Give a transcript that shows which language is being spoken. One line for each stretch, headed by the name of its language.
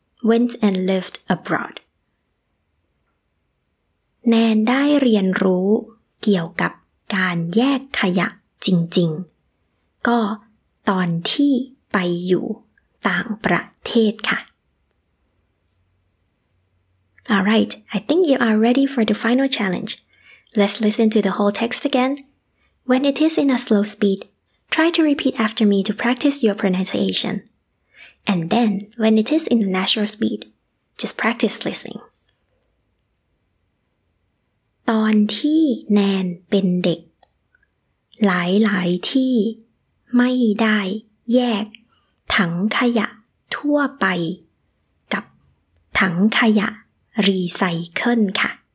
English: went and lived abroad
Thai: แนนได้เรียนรู้เกี่ยวกับการแยกขยะจริงๆก็ตอนที่ไปอยู่ต่างประเทศค่ะ
English: Alright, I think you are ready for the final challenge. Let's listen to the whole text again. When it is in a slow speed, try to repeat after me to practice your pronunciation. And then, when it is in a natural speed, just practice listening.
Thai: ตอนที่แนนเป็นเด็กหลายๆที่ไม่ได้แยกถังขยะทั่วไปกับถังขยะรีไซเคิลค่ะ